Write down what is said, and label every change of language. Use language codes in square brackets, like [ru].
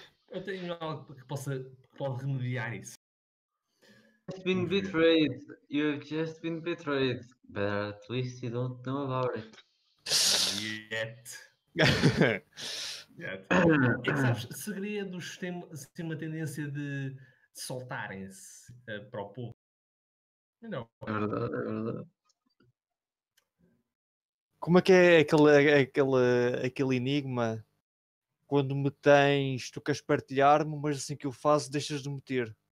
[pt] Eu tenho algo que possa remediar isso. [en] You've been betrayed. You've just been betrayed. But at least you don't know about it. Yet. [pt] É que sabes, segredos têm uma tendência de soltarem-se para o povo. Não. É verdade, é verdade. Como é que é aquele enigma quando me tens, tu queres partilhar-me, mas assim que eu faço, deixas de me ter?